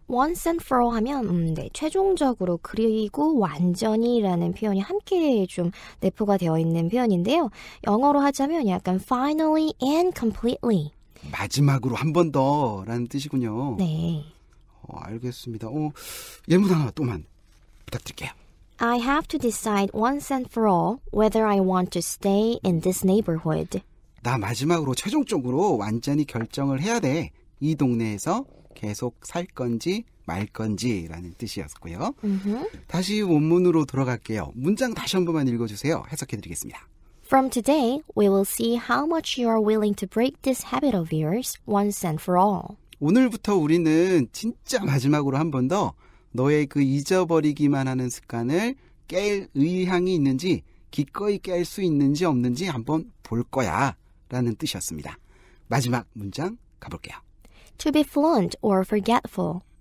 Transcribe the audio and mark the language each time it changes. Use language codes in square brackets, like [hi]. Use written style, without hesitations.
[en] once and for all [ko] 하면 네, 최종적으로 그리고 완전히 라는 표현이 함께 좀 내포가 되어 있는 표현인데요. 영어로 하자면 약간 [en] finally and completely [ko] 마지막으로 한 번 더 라는 뜻이군요. 네. 알겠습니다. 예문 하나 또만 부탁드릴게요. [en] I have to decide once and for all whether I want to stay in this neighborhood. [ko] 나 마지막으로 최종적으로 완전히 결정을 해야 돼. 이 동네에서 계속 살 건지 말 건지 라는 뜻이었고요. Mm-hmm. 다시 원문으로 돌아갈게요. 문장 다시 한 번만 읽어주세요. 해석해드리겠습니다. [en] From today, we will see how much you are willing to break this habit of yours once and for all. [ko] 오늘부터 우리는 진짜 마지막으로 한 번 더 너의 그 잊어버리기만 하는 습관을 깰 의향이 있는지 기꺼이 깰 수 있는지 없는지 한번 볼 거야 라는 뜻이었습니다. 마지막 문장 가볼게요. [en] To be fluent or forgetful.